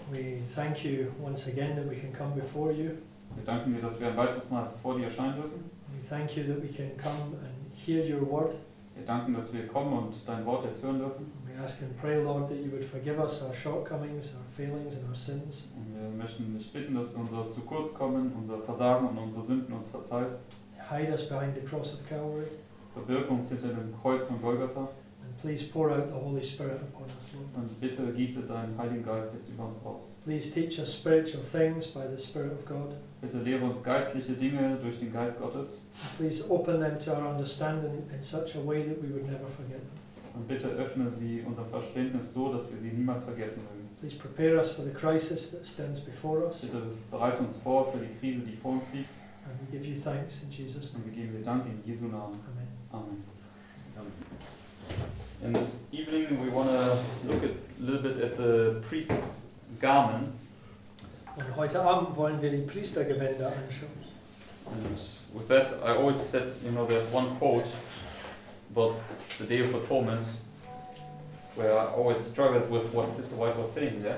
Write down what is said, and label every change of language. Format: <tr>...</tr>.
<en>we thank you once again that we can come before you.</en> <de>Wir danken dir, dass wir ein weiteres Mal vor dir erscheinen dürfen.</de> <en>We thank you that we can come and hear your word.</en> <de>Wir danken, dass wir kommen und dein Wort jetzt hören dürfen.</de> <en>We ask and pray, Lord, that you would forgive us our shortcomings, our failings and our sins.</en> <de>Und wir möchten dich bitten, dass du unser Zukurzkommen, unser Versagen und unsere Sünden uns verzeihst.</de> <en>Hide us behind the cross of Calvary.</en> <de>Verbirg uns hinter dem Kreuz von Golgatha.</de> <en>Please pour out the Holy Spirit upon us, Lord.</en> <de>Und bitte gieße deinen Heiligen Geist jetzt über uns aus.</de> <en>Please teach us spiritual things by the Spirit of God.</en> <de>Bitte lehre uns geistliche Dinge durch den Geist Gottes.</de> <en>And please open them to our understanding in such a way that we would never forget them.</en> <de>Und bitte öffne sie unser Verständnis so, dass wir sie niemals vergessen mögen.</de> <en>Please prepare us for the crisis that stands before us.</en> <de>Bitte bereite uns vor für die Krise, die vor uns liegt.</de> <en>And we give you thanks in Jesus' name.</en> <de>Und wir geben dir Dank in Jesu Namen.</de> <en>Amen.</en> <de>Amen.</de> <en>In this evening, we want to look at a little bit at the priest's garments.</en> <de>Und heute Abend wollen wir die Priestergewänder anschauen.</de> <en>And with that, I always said, you know, there's one quote about the Day of Atonement, where I always struggled with what Sister White was saying there.</en>